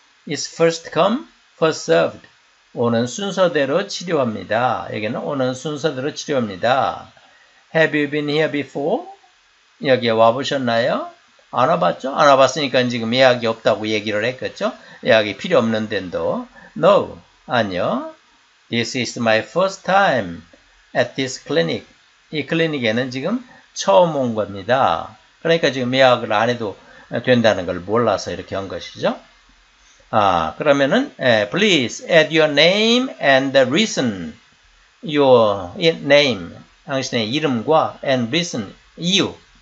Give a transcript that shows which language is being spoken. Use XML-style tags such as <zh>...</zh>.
<en>It's first come, first served.</en> <ko>오는 순서대로 치료합니다. 여기는 오는 순서대로 치료합니다.</ko> <en>Have you been here before?</en> <ko>여기에 와보셨나요? 안 와봤죠? 안 와봤으니까 지금 예약이 없다고 얘기를 했겠죠? 예약이 필요 없는 데도. No. 아니요.</ko> <en>This is my first time at this clinic.</en> <ko>이 클리닉에는 지금 처음 온 겁니다. 그러니까 지금 예약을 안 해도 된다는 걸 몰라서 이렇게 한 것이죠. 아, 그러면은</ko> <en>please add your name and the reason. Your name,</en> <ko>당신의 이름과</ko> <en>and reason, 이유.</en>